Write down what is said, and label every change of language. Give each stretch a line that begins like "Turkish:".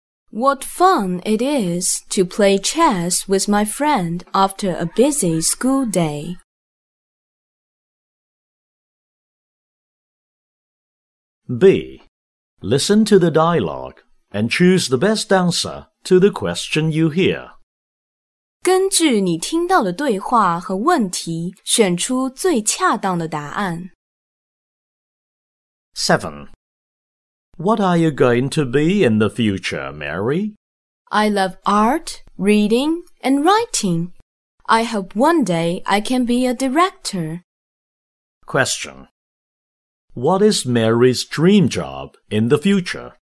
English: What fun it is to play chess with my friend after a busy school day. 7. Listen to the dialogue and choose the best answer to the question you hear.
Chinese: 根据你听到的对话和问题，选出最恰当的答案。
English: 7. What are you going to be in the future, Mary? I love art, reading, and writing. I hope one day I can be a director. Question. What is Mary's dream job in the future?